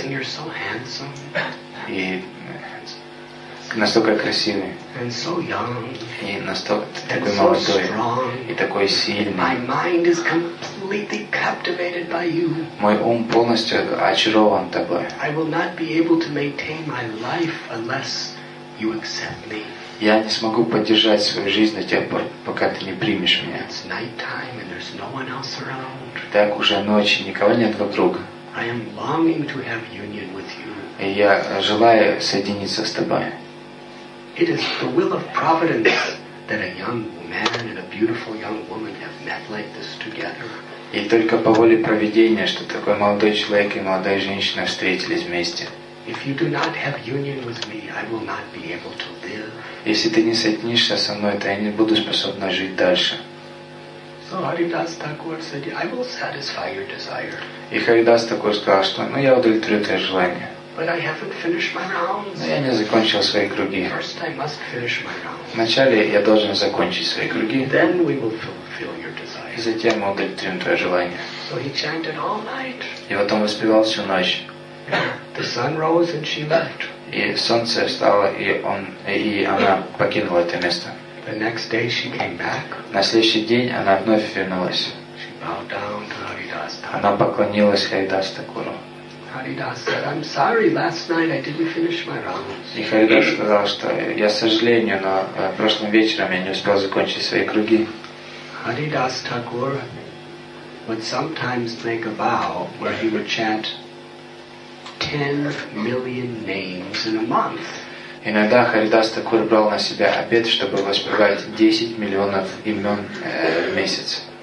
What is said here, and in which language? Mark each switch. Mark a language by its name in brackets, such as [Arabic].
[English] And you're so handsome. [Russian] И настолько красивый, [English] and so young, [Russian] и настолько [English] and [Russian] такой [English] so [Russian] молодой, [English] strong, [Russian] и такой сильный. [English] My mind is completely captivated by you. [Russian] Мой ум полностью очарован тобой. [English] I will not be able to maintain my life unless you accept me. [Russian] Я не смогу поддержать свою жизнь до тех пор, пока ты не примешь меня. [English] It's nighttime and there's no one else around. [Russian] Так уже ночь, никого нет вокруг. [English] I am longing to have union with you. [Russian] И я желаю соединиться с тобой. [English] It is the will of providence that a young man and a beautiful young woman have met like this together. [Russian] И только по воле провидения, что такой молодой человек и молодая женщина встретились вместе. [English] If you do not have union with me, I will not be able to live. [Russian] Если ты не соединишься со мной, то я не буду способна жить дальше. [English] So Haridasa Thakur said, I will satisfy your desire. [Russian] И Харидаса Такур сказал, что ну я удовлетворю твое желание. [English] But I haven't finished my rounds. [Russian] Но я не закончил свои круги. [English] First I must finish my rounds. [Russian] Вначале я должен закончить свои круги. [English] Then we will fulfill your desire. [Russian] И затем мы удовлетворим твое желание. [English] So he chanted all night. [Russian] И вот он воспевал всю ночь. [English] The sun rose and she left. [Russian] И солнце встало, и он и она покинула это место. [English] The next day she came back. [Russian] На следующий день она вновь вернулась. [English] She bowed down to Haridasa Thakur. [Russian] Она поклонилась Харидасу Такуру. [English] Haridasa said, "I'm sorry. Last night I didn't finish my rounds." [Russian] И Харидаса сказал, что я сожалею, но прошлым вечером я не успел закончить свои круги. [English] Haridasa Thakur would sometimes make a vow where he would chant 10 million names in a month. [Russian] Иногда Харидаса Такур брал на себя обет, чтобы воспевать 10 миллионов имен в месяц.